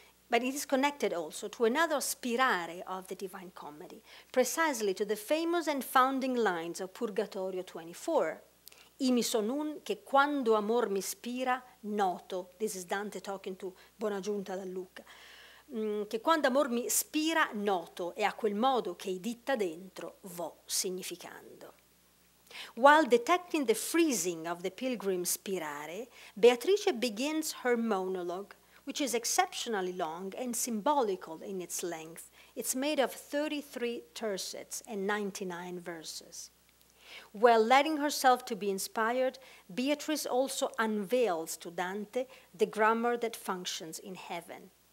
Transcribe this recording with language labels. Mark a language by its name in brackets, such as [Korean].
[English] But it is connected also to another spirare of the Divine Comedy, precisely to the famous and founding lines of Purgatorio 24. [Italian] Imi son un che quando amor mi spira, noto. [English] This is Dante talking to Buonaggiunta da Lucca. [Italian] Che quando amor mi spira, noto, e a quel modo che i ditta dentro, vo significando. [English] While detecting the freezing of the pilgrim's spirare, Beatrice begins her monologue, which is exceptionally long and symbolical in its length. It's made of 33 tercets and 99 verses. While letting herself to be inspired, Beatrice also unveils to Dante the grammar that functions in heaven.